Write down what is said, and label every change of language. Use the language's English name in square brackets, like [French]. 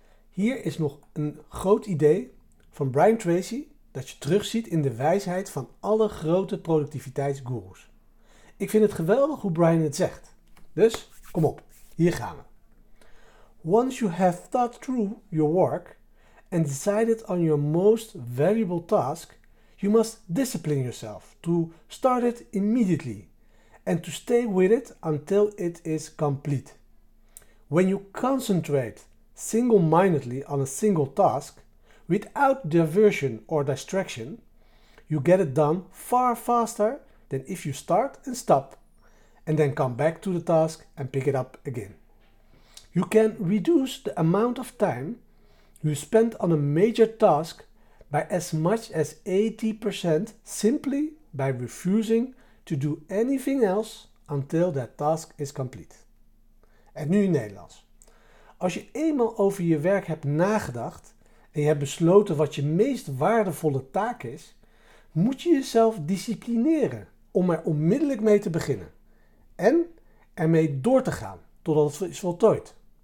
[Dutch] Hier is nog een groot idee van Brian Tracy dat je terugziet in de wijsheid van alle grote productiviteitsgoeroes. Ik vind het geweldig hoe Brian het zegt. Dus, kom op, hier gaan we. [English] Once you have thought through your work and decided on your most valuable task, you must discipline yourself to start it immediately and to stay with it until it is complete. When you concentrate single-mindedly on a single task, without diversion or distraction, you get it done far faster than if you start and stop and then come back to the task and pick it up again. You can reduce the amount of time you spend on a major task by as much as 80% simply by refusing to do anything else until that task is complete. [Dutch] En nu in Nederlands. Als je eenmaal over je werk hebt nagedacht en je hebt besloten wat je meest waardevolle taak is, moet je jezelf disciplineren om er onmiddellijk mee te beginnen en ermee door te gaan totdat het is voltooid.